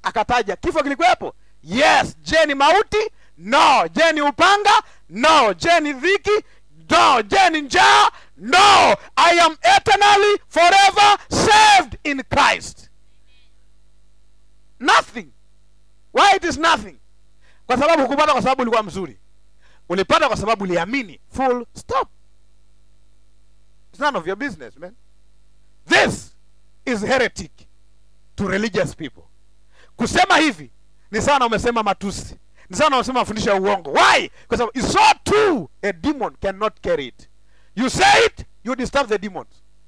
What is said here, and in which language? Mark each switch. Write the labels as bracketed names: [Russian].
[Swahili] Akataja kifo kilikuwepo. Yes, je ni mauti? No. Je ni upanga? No. Je ni dhiki? No. Je ni njaa? No. [English] I am eternally forever saved in Christ. Nothing. Why it is nothing? [Swahili] Kwa sababu hukupata kwa sababu ulikuwa mzuri. Ulipata kwa sababu uliamini. [English] Full stop. It's none of your business, man. This is heretic to religious people. [Swahili] Kusema hivi ni sana umesema matusi. Ni sana umesema mafundisho ya uongo. Why? Kwa sababu [English] it's so true, a demon cannot carry it. You say it, you disturb the demons.